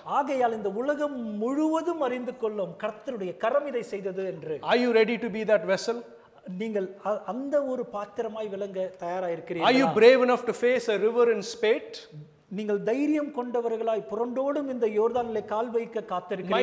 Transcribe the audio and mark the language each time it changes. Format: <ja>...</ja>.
<ta>ஆகையால் இந்த உலகம் முழுவதும் அறிந்து கொள்ளும் கர்த்தருடைய கரம் இதை செய்தது என்று.</ta> <en>Are you ready to be that vessel?</en> <ta>நீங்கள் அந்த ஒரு பாத்திரமாய் விளங்க தயாரா இருக்கிறீர்களா?</ta> <en>Are you brave enough to face a river in spate?</en> <ta>நீங்கள் தைரியம் கொண்டவர்களாய் புரண்டோடும் இந்த யோர்தானிலே கால் வைக்க காத்திருக்கிறீர்களா?</ta>